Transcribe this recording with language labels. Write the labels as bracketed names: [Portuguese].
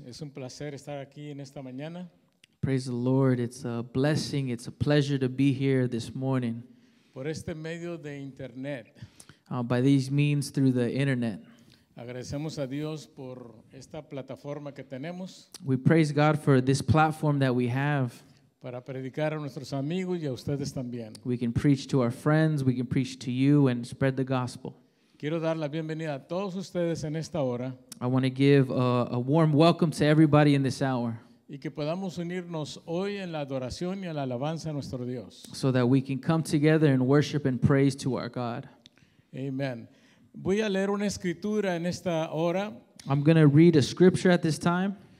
[Spanish] Es un placer estar aquí en esta mañana. [English] Praise the Lord. It's a blessing. It's a pleasure to be here this morning. [Spanish] Por este medio de internet. [English] By these means through the internet. [Spanish] Agradecemos a Dios por esta plataforma que tenemos. [English] We praise God for this platform that we have. [Spanish] Para predicar a nuestros amigos y a ustedes también. [English] We can preach to our friends. We can preach to you and spread the gospel. [Spanish] Quiero dar la bienvenida a todos ustedes en esta hora. [English] I want to give a warm welcome to everybody in this hour. [Spanish] Y que podamos unirnos hoy en la adoración y en la alabanza a nuestro Dios. [English] So that we can come together in worship and praise to our God. Amen. [Spanish] Voy a leer una escritura en esta hora. [English] I'm going to read a scripture at this time.